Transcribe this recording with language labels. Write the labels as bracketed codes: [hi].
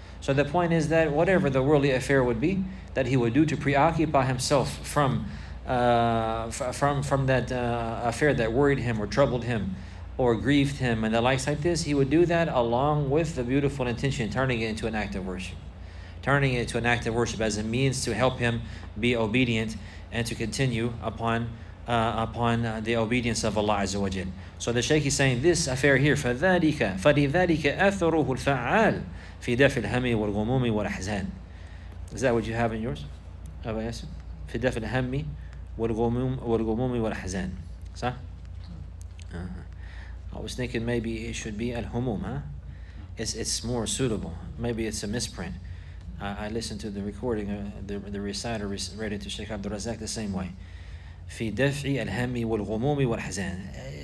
[en] So the point is that whatever the worldly affair would be that he would do to preoccupy himself from that affair that worried him or troubled him or grieved him and the likes like this, he would do that along with the beautiful intention, turning it into an act of worship. Turning it into an act of worship as a means to help him be obedient and to continue upon the obedience of Allah Azza wa Jal. So the Shaykh is saying this affair here, [ar] فَذَلِكَ فَلِذَلِكَ أَثَرُهُ الْفَعَالِ فِي دَفِ الْهَمِّ وَالْغُمُومِ وَالْأَحْزَانِ. [en] Is that what you have in yours? [ar] Abu Yasin? فِي دَفِ الْهَمِّ وَالْغُمُومِ وَالْأَحْزَانِ. صح؟ [en] I was thinking maybe it should be الْهُمُوم, huh? It's more suitable. Maybe it's a misprint. I listened to the recording, the reciter read it to Sheikh Abdul Razak the same way. [ar] في دفع الهم والغموم والحزان.